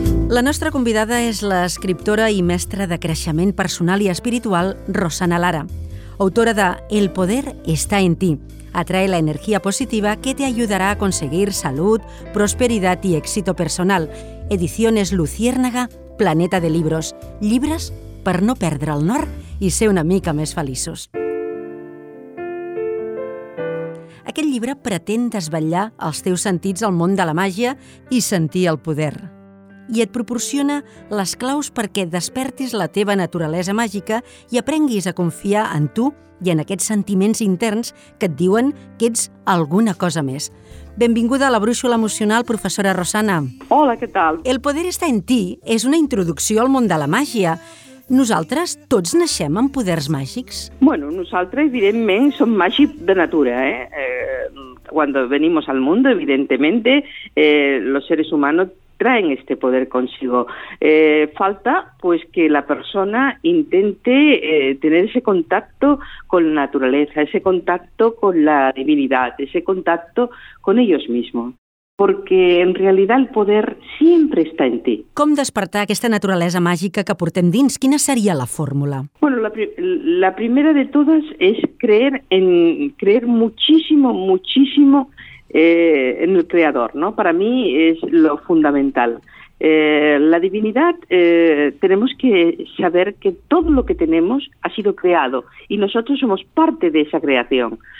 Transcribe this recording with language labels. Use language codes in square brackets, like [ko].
[ca] La nostra convidada és l'escriptora i mestra de creixement personal i espiritual, Rosana Lara, autora de El poder está en ti. [es] Atrae la energía positiva que te ayudará a conseguir salud, prosperidad y éxito personal. Ediciones Luciérnaga, Planeta de Libros. [ca] Llibres per no perdre el nord i ser una mica més feliços. Aquest llibre pretén desvetllar els teus sentits al món de la màgia i sentir el poder. I et proporciona les claus perquè despertis la teva naturalesa màgica i aprenguis a confiar en tu i en aquests sentiments interns que et diuen que ets alguna cosa més. Benvinguda a la brúixola emocional, professora Rosana. Hola, què tal? El poder està en ti és una introducció al món de la màgia. Nosaltres tots naixem amb poders màgics? [es] Bueno, [ca] nosaltres, evidentment, som màgics de natura, [es] Cuando venimos al mundo, evidentemente, los seres humanos traen este poder consigo. Falta, pues, que la persona intente tener ese contacto con la naturaleza, ese contacto con la divinidad, ese contacto con ellos mismos. Porque en realidad el poder siempre está en ti. [ca] Com despertar aquesta naturalesa màgica que portem dins? Quina seria la fórmula? [es] Bueno, la primera de todas es creer muchísimo en el creador, ¿no? Para mí es lo fundamental. La divinidad, tenemos que saber que todo lo que tenemos ha sido creado y nosotros somos parte de esa creación.